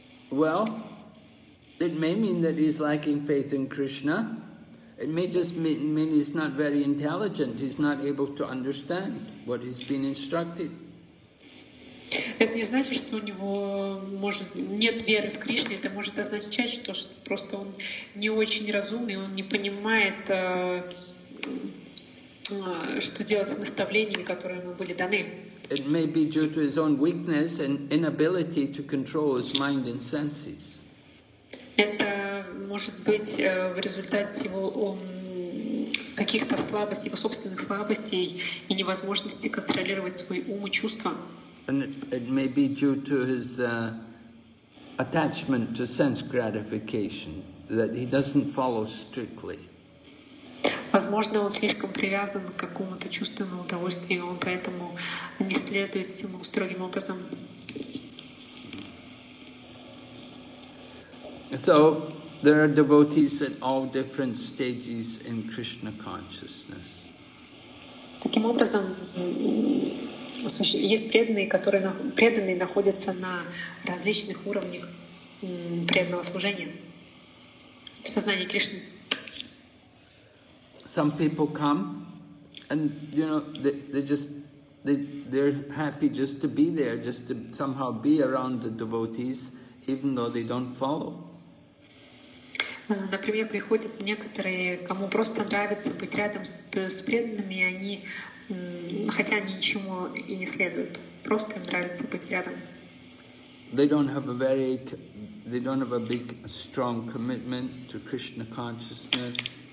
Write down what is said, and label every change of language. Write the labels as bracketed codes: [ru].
[en] Well, it may mean that he's lacking faith in Krishna. It may just mean he's not very intelligent. He's not able to understand what he's been instructed. [ru] Это не значит, что у него может нет веры в Кришне. Это может означать, что просто он не очень разумный. Он не понимает, что делать с наставлениями, которые ему были даны. [en] It may be due to his own weakness and inability to control his mind and senses. [ru] Это может быть в результате его каких-то слабостей, его собственных слабостей и невозможности контролировать свои умы, чувства. [en] And it may be due to his attachment to sense gratification, that he doesn't follow strictly. [ru] Возможно, он слишком привязан к какому-то чувственному удовольствию, он поэтому не следует всему строгим образом. [en] So, there are devotees at all different stages in Krishna consciousness. [ru] Таким образом, есть преданные, которые преданные находятся на различных уровнях преданного служения, сознания Кришны. [en] Some people come, and you know they're happy just to be there, just to somehow be around the devotees, even though they don't follow. [ru] Например, приходят некоторые, кому просто нравится быть рядом с преданными, они хотя ничему и не следуют, просто им нравится быть рядом. [en] They don't have a big strong commitment to Krishna consciousness.